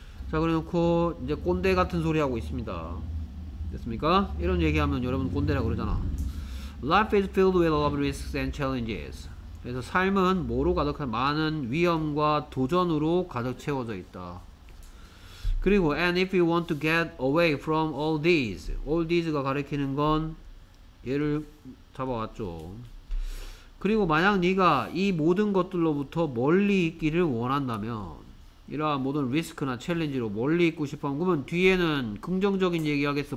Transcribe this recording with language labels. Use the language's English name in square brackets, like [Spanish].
[Korean] 자 그래놓고 이제 꼰대 같은 소리 하고 있습니다. 됐습니까? 이런 얘기하면 여러분 꼰대라 그러잖아. [English] Life is filled with a lot of risks and challenges. [Korean] 그래서 삶은 뭐로 가득한 많은 위험과 도전으로 가득 채워져 있다. 그리고 [English] and if you want to get away from all these가 [Korean] 가리키는 건 얘를 잡아왔죠. 그리고 만약 네가 이 모든 것들로부터 멀리 있기를 원한다면 이러한 모든 리스크나 챌린지로 멀리 있고 싶어 그러면 뒤에는 긍정적인 얘기하겠어?